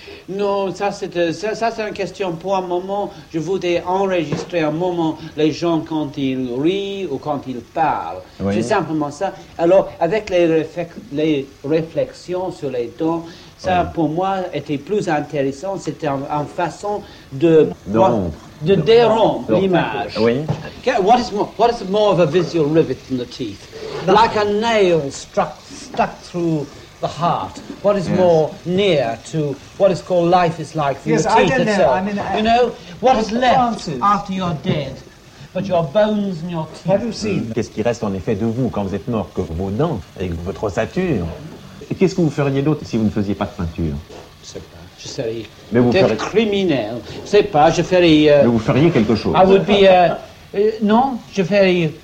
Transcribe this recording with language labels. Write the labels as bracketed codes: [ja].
[fr] Non, ça c'est une question pour un moment. Je voudrais enregistrer un moment les gens quand ils rient ou quand ils parlent. Oui. C'est simplement ça. Alors, avec les réflexions sur les dents, ça, pour moi, était plus intéressant. C'était une façon de dérompre l'image. Oui. [en] What is more of a visual rivet than the teeth? Like a nail stuck through the heart. What is more near to what is called life is like than the teeth itself? I mean, you know, what is left after you're dead? But your bones and your teeth. Have you seen? [fr] Qu'est-ce qui reste en effet de vous quand vous êtes mort que vos dents et votre ossature? Et qu'est-ce que vous feriez d'autre si vous ne faisiez pas de peinture ? Je sais pas. Je serais peut-être criminel. Je sais pas, je ferais... Mais vous feriez quelque chose. I would be... non, je ferais...